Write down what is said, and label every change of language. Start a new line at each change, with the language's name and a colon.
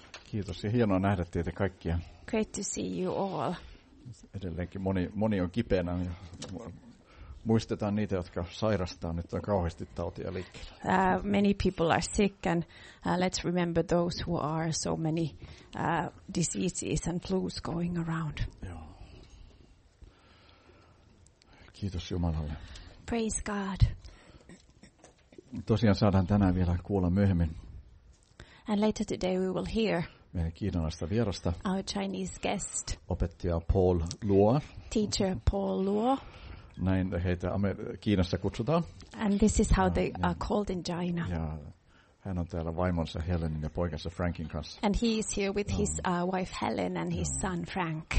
Finnish: Kiitos ja hienoa nähdä teitä kaikkia.
English: Great to see you all.
Finnish: Edelleenkin moni on kipeänä. Muistetaan niitä, jotka sairastaa. Nyt on kauheasti tautia liikkeellä.
English: Many people are sick and let's remember those who are so many diseases and flus going around.
Finnish: Joo. Kiitos Jumalalle.
English: Praise God.
Finnish: Tosiaan saadaan tänään vielä kuulla myöhemmin.
English: And later today we will hear.
Finnish: Meidän kiinalaista vierasta.
English: Our Chinese guest.
Finnish: Opettaja Paul Luo.
English: Teacher Paul Luo.
Finnish: Näin heitä Kiinassa kutsutaan.
English: And this is how they are called in China.
Finnish: Ja hän on täällä vaimonsa Helenin ja poikansa Frankin kanssa.
English: And he is here with his wife Helen and his son Frank.